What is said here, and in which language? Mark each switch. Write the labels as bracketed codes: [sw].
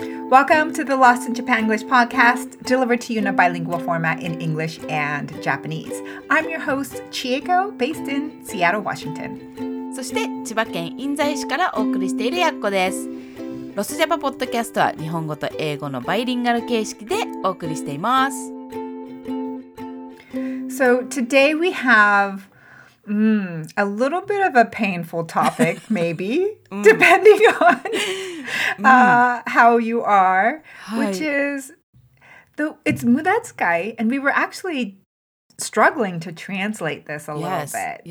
[en] Welcome to the Lost in Japan English podcast, delivered to you in a bilingual format in English and Japanese. I'm your host, Chieko, based in Seattle, Washington. [ja] そして千葉県印西市からお送りしているやっこです。ロスジャパポッドキャストは日本語と英語のバイリンガル形式でお送りしています。 [en] So today we have a little bit of a painful topic, maybe, depending on how you are, which is, it's 無駄遣い, and we were actually struggling to translate this a little bit.